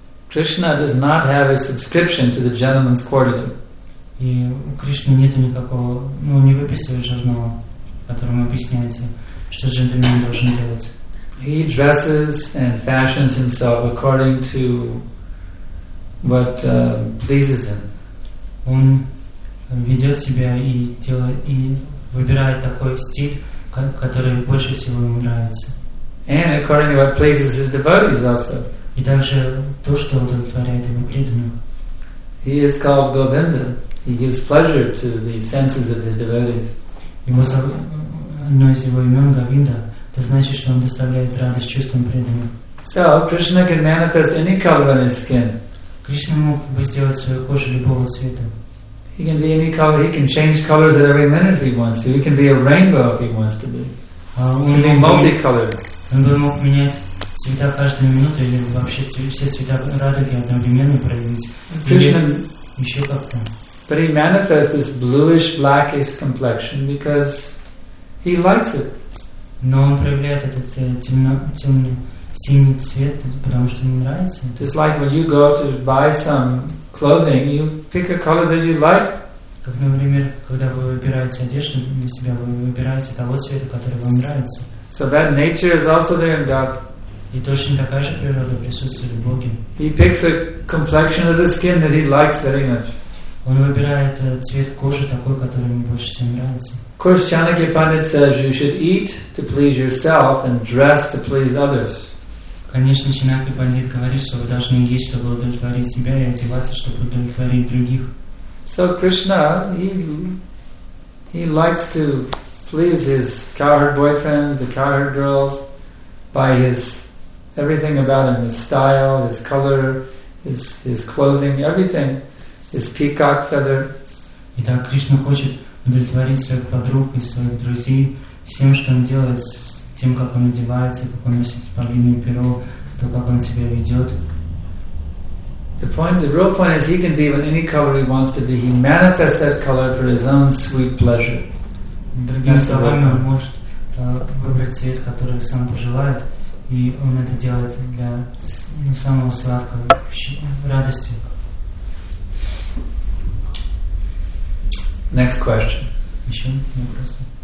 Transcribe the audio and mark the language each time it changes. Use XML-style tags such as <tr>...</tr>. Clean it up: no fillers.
<en>Krishna does not have a subscription to the Gentleman's Quarterly.</en> <ru>И у Кришны нет никакого, ну, не выписывает журнала, которому объясняется, что джентльмен должен делать.</ru> <en>He dresses and fashions himself according to what pleases him.</en> <ru>Он ведет себя и делает и выбирает такой стиль, который больше всего ему нравится.</ru> <en>And according to what pleases his devotees also.</en> <ru>И также то, что удовлетворяет его преданным.</ru> <en>He is called Govinda. He gives pleasure to the senses of his devotees.</en> <ru>Его одно из его имен Говинда. Это значит, что он доставляет радость чувствам преданным.</ru> <en>So Krishna can manifest any color on his skin.</en> <ru>Кришна мог бы сделать свою кожу любого цвета.</ru> <en>He can be any color. He can change colors at every minute if he wants to. He can be a rainbow if he wants to be.</en> <ru>Он</ru> <en>can be multicolored.</en> <ru>Он бы мог менять цвета каждую минуту или вообще все цвета радуги одновременно проявить.</ru> <en>Krishna,</en> <ru>или еще как-то.</ru> <en>But he manifests this bluish blackish complexion because he likes it.</en> <ru>Но он проявляет этот темно-темный синий цвет, потому что ему нравится.</ru> <en>Just like when you go to buy some clothing, you pick a color that you like.</en> <ru>Как, например, когда вы выбираете одежду для себя, вы выбираете того цвета, который вам нравится.</ru> <en>So that nature is also there in God.</en> <ru>И точно такая же природа присутствует в Боге.</ru> <en>He picks a complexion of the skin that he likes very much.</en> <ru>Он выбирает цвет кожи такой, который ему больше всего нравится.</ru> <en>Of course, Chanakya Pandit says you should eat to please yourself and dress to please others.</en> <ru>Конечно, Чанакья Пандит говорит, что вы должны есть, чтобы удовлетворить себя и одеваться, чтобы удовлетворить других.</ru> <en>So Krishna, he likes to please his cowherd boyfriends, the cowherd girls, by his everything about him, his style, his color, his clothing, everything, his peacock feather.</en> <ru>Итак, Кришна хочет удовлетворить своих подруг и своих друзей всем, что он делает, тем, как он одевается, как он носит павлинье перо, то, как он себя ведет.</ru> <en>The real point is he can be in any color he wants to be. He manifests that color for his own sweet pleasure.</en> <ru>Другими словами, он может выбрать цвет, который сам пожелает, и он это делает для самого сладкого радости.</ru> <en>Next question.</en> <ru>Еще вопрос.</ru>